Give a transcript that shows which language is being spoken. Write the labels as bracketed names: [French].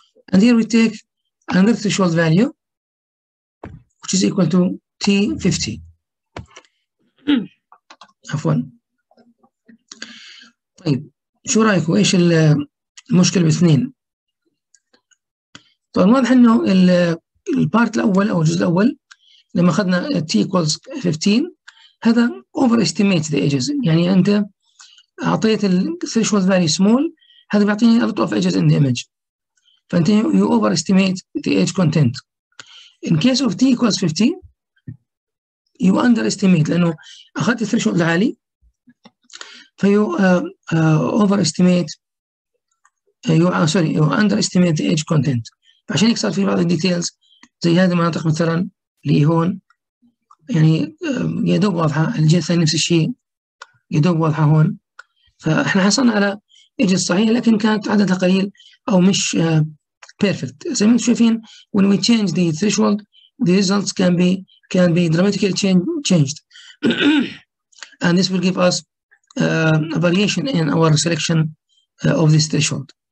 [English] And here we take another threshold value, which is equal to t 50. F1. [Arabic] طيب شو رايك وايش المشكله باثنين؟ طبعا واضح انه البارت الاول او الجزء الاول لما اخذنا [English] t equals 15 [Arabic] هذا اوفر استيميت ذا ايجز، يعني انت اعطيت الثريشولد فاليو سمول، هذا بيعطيني [English] a lot of edges in the image. [Arabic] فانت [English] you overestimate the edge content. In case of t equals 15 you underestimate [Arabic] لانه اخذت الثريشولد العالي فيو [English] overestimate you sorry you underestimate the edge content. [Arabic] عشان هيك صار في بعض الديتيلز زي هذه المناطق مثلا اللي هون يعني يا دوب واضحه، الجهه الثانيه نفس الشيء يا دوب واضحه هون، فاحنا حصلنا على edge صحيح لكن كانت عددها قليل او مش perfect. زي ما انتم شايفين [English] when we change the threshold the results can be dramatically changed and this will give us a variation in our selection of this threshold.